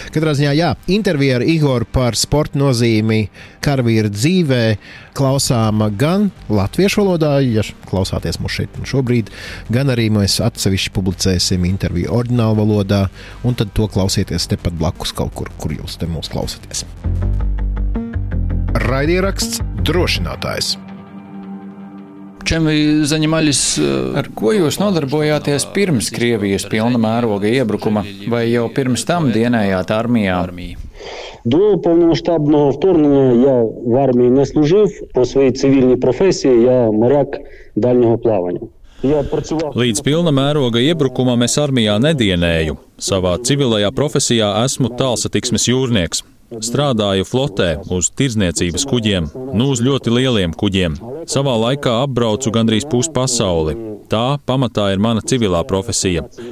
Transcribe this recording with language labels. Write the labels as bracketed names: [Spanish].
[Latvian] Katrā ziņā, jā, intervija ar Igoru par sporta nozīmi karavīra dzīvē klausāma gan latviešu valodā, ja klausāties mūs šeit šobrīd, gan arī mēs atsevišķi publicēsim interviju ordināla valodā, un tad to klausieties tepat blakus kaut kur, kur jūs te mūs klausaties. Raidieraksts drošinātājs. [Russian] Čem zaņemaļis, [Latvian] ar ko jūs nodarbojāties pirms Krievijas pilna mēroga iebrukuma, vai jau pirms tam dienējāt armijā? [Ukrainian] До повномасштабного вторгнення я в армії не служив, по своїй цивільній професії я моряк дальнього плавання. [Latvian] Līdz pilna mēroga iebrukumam es armijā nedienēju. Savā civilajā profesijā esmu tālsatiksmes jūrnieks. Strādāju flotē uz tirdzniecības kuģiem, nu uz ļoti lieliem kuģiem. Savā laikā apbraucu gandrīz pus pasauli. Tā pamatā ir mana civilā profesija.